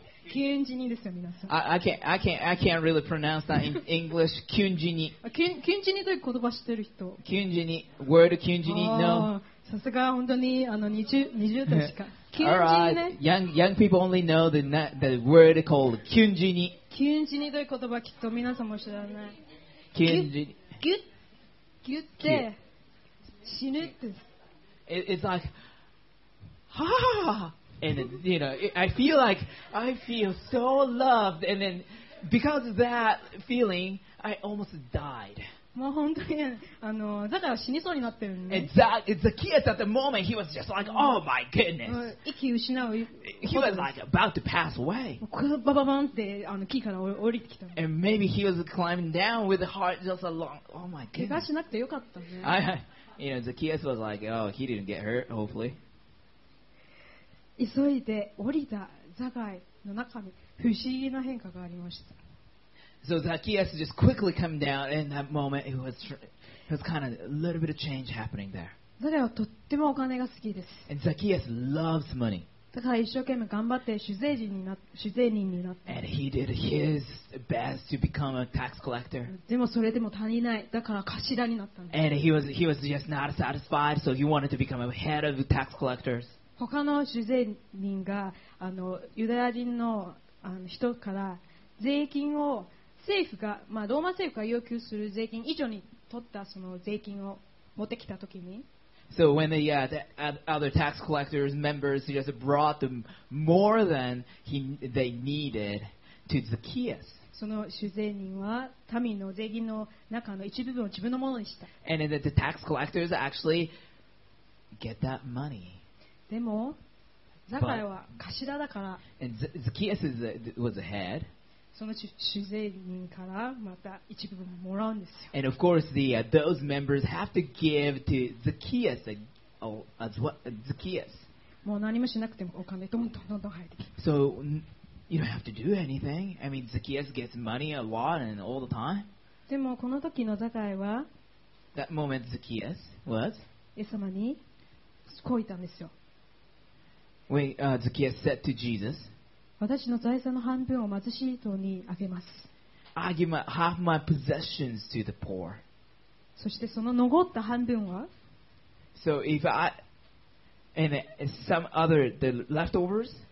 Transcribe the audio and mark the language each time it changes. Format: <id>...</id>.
<ja>Kunjini ですよ、皆さん。</ja> <en>I can't really pronounce that in English. Kunjini.</en> <ja>Kunjini という言葉知ってる人。</ja> <en>Kunjini. Word Kunjini. No.</en> <ja>さすが本当にあの20代しか。</ja> <en>Kunjini. All right. Young people only know the word called Kunjini.</en> <ja>Kunjini という言葉きっと皆さんも知らない。 Kunjini. ぎゅって死ぬって。</ja> <en>It's like, ha ha ha. And you know, I feel so loved. And then, because of that feeling, I almost died.</en> <ja>もう本当にあのザカイは死にそうになってるね。</ja> <en>Zacchaeus at the moment he was just like, oh my goodness.</en> <ja>息失う。</ja> <en>He was like about to pass away.</en> <ja>ババンってあの木から降りてきた。</ja> <en>And maybe he was climbing down with the heart just along. Oh my goodness.</en> <ja>怪我しなくてよかったね。</ja> <en>You know, Zacchaeus was like, oh, he didn't get hurt. Hopefully.</en> <ja>急いで降りたザカイの中に不思議な変化がありました。</ja> <en>So Zacchaeus just quickly came down, and that moment it was kind of a little bit of change happening there.</en> <ja>彼はとってもお金が好きです。</ja> <en>And Zacchaeus loves money.</en> <ja>だから一生懸命頑張って主税人になって。</ja> <en>And he did his best to become a tax collector.</en> <ja>でもそれでも足りない。だから頭になったんです。</ja> <en>And he was just not satisfied, so he wanted to become a head of tax collectors.</en> <ja>他の主税人がユダヤ人の人から税金を政府が、まあ、ローマ政府が要求する税金以上に取ったその税金を持ってきたときに、</ja> <en>So when the other tax collectors members just brought them more than they needed to Zacchaeus.</en> <ja>その主税人は民の税金の中の一部分を自分のものにした。</ja> <en>And then the tax collectors actually get that money.</en> <ja>でもザカイは頭だから。</ja> <en>And Zacchaeus was a head.</en> <ja>その主税人からまた一部分もらうんですよ。</ja> <en>And of course, those members have to give to Zacchaeus as well. Zacchaeus.</en> <ja>もう何もしなくてもお金どんどん入ってきて。</ja> <en>So you don't have to do anything. I mean, Zacchaeus gets money a lot and all the time.</en> <ja>でもこの時のザカイは、</ja> <en>That moment Zacchaeus was.</en> <ja>イエス様にこう言ったんですよ。</ja> <en>Zacchaeus said to Jesus,</en> <ja>私の財産の半分を貧しい人にあげます。</ja> <en>I give half my possessions to the poor.</en> <ja>そしてその残った半分は、</ja> <en>So if I and some other the leftovers,</en>